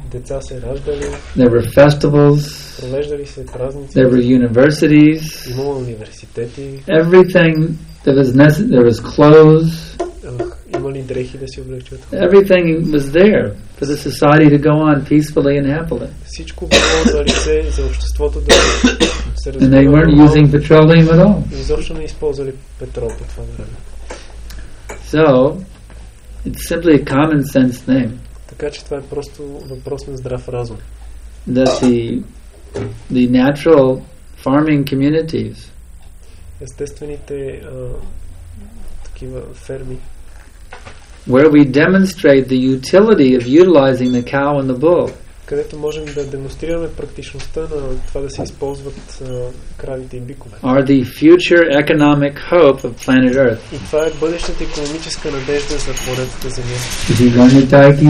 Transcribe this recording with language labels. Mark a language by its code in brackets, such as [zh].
[bg] Деца се раждали. [en] There were festivals. [bg] Провеждали се празници. [en] There were universities. [bg] Имало университети. [en] Everything that was necessary. There was clothes. [bg] Имали дрехи да си облекчат. [en] Everything was there for the society to go on peacefully and happily. [bg] Всичко било за лице за обществото да се развива. [en] And they weren't using petroleum at all. [bg] Изобщо не използвали петрол по това време. [en] So, it's simply a common sense thing. [bg] Така че това е просто въпрос на здрав разум. [en] That the natural farming communities, [bg] естествените такива ферми, [en] where we demonstrate the utility of utilizing the cow and the bull, [bg] където можем да демонстрираме практичността на това да се използват кравите и бикове, [en] are the future economic hope of planet Earth. [bg] И това е бъдещата икономическа надежда за планетата Земя.